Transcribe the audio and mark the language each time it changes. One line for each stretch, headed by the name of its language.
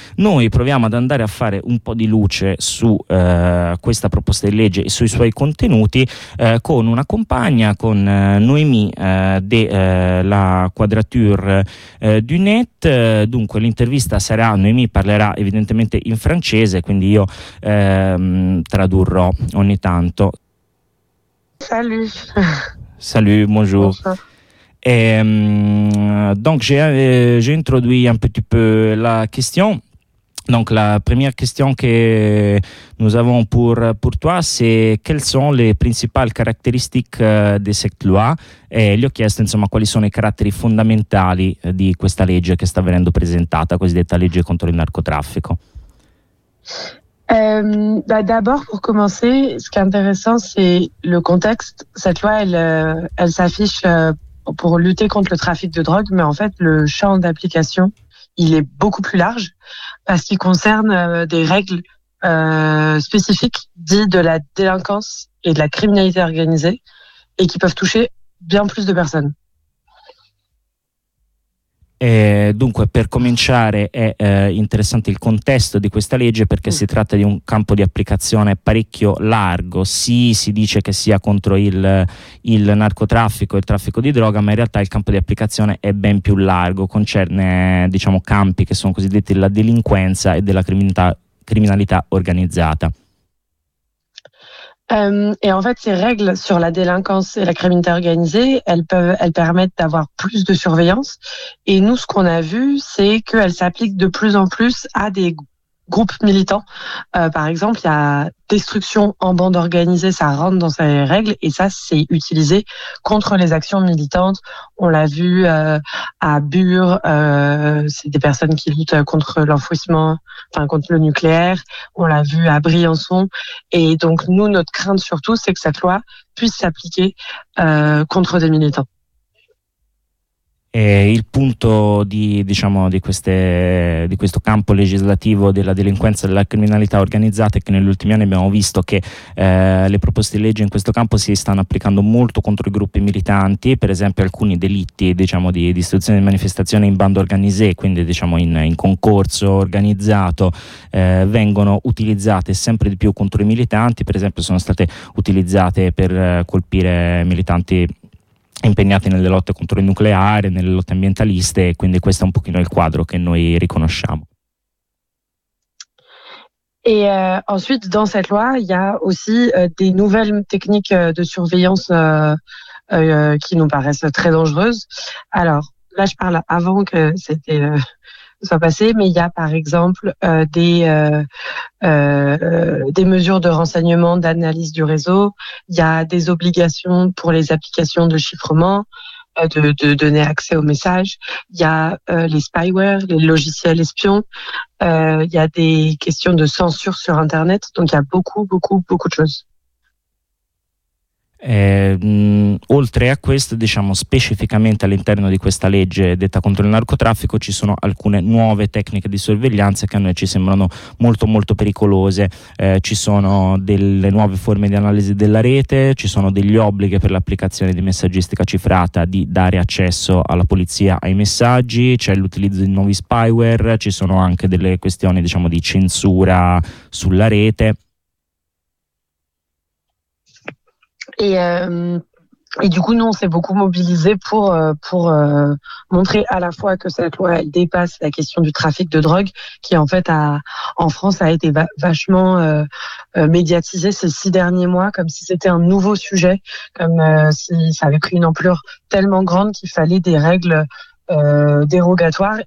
Italian: Noi proviamo ad andare a fare un po' di luce su questa proposta di legge e sui suoi contenuti con una compagna, con Noemi della Quadrature du Net. Dunque l'intervista sarà, Noemi parlerà evidentemente in francese, quindi io tradurrò ogni tanto.
French: Salut. Salut, bonjour. Donc j'ai introduit un petit peu la question. Donc la première question que nous avons pour toi, c'est quelles sont les principales caractéristiques de cette loi?
Italian: Gli ho chiesto, insomma, quali sono i caratteri fondamentali di questa legge che sta venendo presentata, cosiddetta legge contro il narcotraffico.
French: D'abord, pour commencer, ce qui est intéressant, c'est le contexte. Cette loi, elle s'affiche pour lutter contre le trafic de drogue, mais en fait, le champ d'application, il est beaucoup plus large parce qu'il concerne des règles spécifiques dites de la délinquance et de la criminalité organisée et qui peuvent toucher bien plus de personnes.
Italian: Dunque, per cominciare, è interessante il contesto di questa legge, perché si tratta di un campo di applicazione parecchio largo. Sì, si dice che sia contro il narcotraffico e il traffico di droga, ma in realtà il campo di applicazione è ben più largo, concerne, diciamo, campi che sono cosiddetti della delinquenza e della criminalità organizzata.
French: Et en fait, ces règles sur la délinquance et la criminalité organisée, elles permettent d'avoir plus de surveillance. Et nous, ce qu'on a vu, c'est qu'elles s'appliquent de plus en plus à des groupes militants. Par exemple, il y a destruction en bande organisée, ça rentre dans ces règles. Et ça, c'est utilisé contre les actions militantes. On l'a vu à Bure, c'est des personnes qui luttent contre l'enfouissement, enfin contre le nucléaire. On l'a vu à Briançon. Et donc, nous, notre crainte surtout, c'est que cette loi puisse s'appliquer contre des militants.
Italian: Il punto di questo campo legislativo della delinquenza e della criminalità organizzata è che negli ultimi anni abbiamo visto che le proposte di legge in questo campo si stanno applicando molto contro i gruppi militanti, per esempio alcuni delitti, diciamo, di distruzione di manifestazione in bande organisée, quindi, diciamo, in concorso organizzato, vengono utilizzate sempre di più contro i militanti. Per esempio, sono state utilizzate per colpire militanti impegnati nelle lotte contro il nucleare, nelle lotte ambientaliste, quindi questo è un pochino il quadro che noi riconosciamo.
French: Et ensuite dans cette loi, il y a aussi des nouvelles techniques de surveillance qui nous paraissent très dangereuses. Alors, là je parle avant que c'était soit passé, mais il y a par exemple des mesures de renseignement, d'analyse du réseau, il y a des obligations pour les applications de chiffrement, de donner accès aux messages, il y a les spyware, les logiciels espions, il y a des questions de censure sur Internet, donc il y a beaucoup, beaucoup, beaucoup de choses.
Italian: Oltre a questo, diciamo specificamente all'interno di questa legge detta contro il narcotraffico, ci sono alcune nuove tecniche di sorveglianza che a noi ci sembrano molto molto pericolose. Ci sono delle nuove forme di analisi della rete, ci sono degli obblighi per l'applicazione di messaggistica cifrata di dare accesso alla polizia ai messaggi, c'è l'utilizzo di nuovi spyware, ci sono anche delle questioni, diciamo, di censura sulla rete.
French: Et du coup, nous, on s'est beaucoup mobilisé pour montrer à la fois que cette loi, elle dépasse la question du trafic de drogue, qui en fait, en France, a été vachement médiatisé ces 6 derniers mois, comme si c'était un nouveau sujet, comme si ça avait pris une ampleur tellement grande qu'il fallait des règles dérogatoires.